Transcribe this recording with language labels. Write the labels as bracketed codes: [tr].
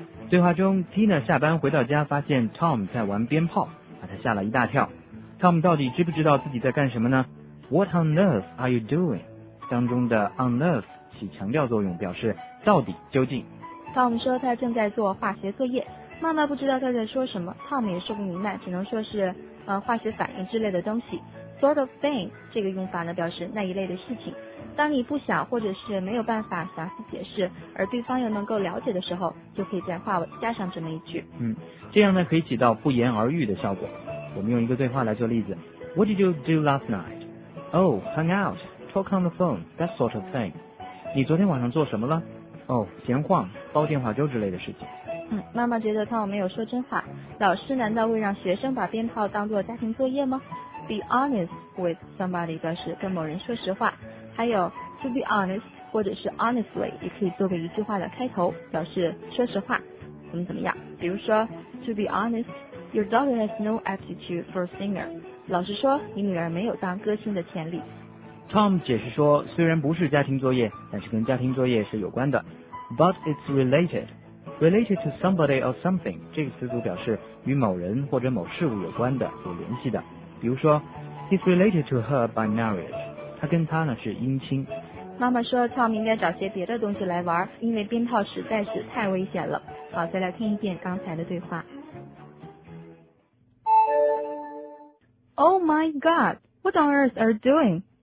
[zh] 对话中 ，Tina 下班回到家，发现 Tom 在玩鞭炮，把他吓了一大跳。 Tom 到底知不知道自己在干什么呢 ？ [en] What on earth are you doing？ [zh] 当中的 on earth 起强调作用，表示到底究竟。 Tom 说他正在做化学作业，妈妈不知道他在说什么， Tom 也说不明白，只能说是化学反应之类的东西。 [en] Sort of thing [zh] 这个用法呢，表示那一类的事情。当你不想或者是没有办法详细解释，而对方又能够了解的时候，就可以在话尾加上这么一句。这样呢可以起到不言而喻的效果。我们用一个对话来做例子。 [en] What did you do last night? Oh, hung out, talk on the phone, that sort of thing. [zh] 你昨天晚上做什么了？哦，闲晃，煲电话粥之类的事情。妈妈觉得汤姆没有说真话，老师难道会让学生把鞭炮当作家庭作业吗？ [en] Be honest with somebody [zh] 表示跟某人说实话，还有 [en] to be honest [zh] 或者是 honestly 也可以作为一句话的开头，表示说实话怎么怎么样。比如说 [en] to be honest, your daughter has no aptitude for a singer. [zh] 老实说你女儿没有当歌星的潜力。 Tom 解释说虽然不是家庭作业，但是跟家庭作业是有关的。 [en] But it's related. Related to somebody or something [zh] 这个词组表示与某人或者某事物有关的，有联系的。比如说 [en] He's related to her by marriage. [zh] 他跟他呢是姻亲。妈妈说 Tom 应该找些别的东西来玩，因为鞭炮实在是太危险了。好，再来听一遍刚才的对话。 [en] Oh my god, what on earth are you doing?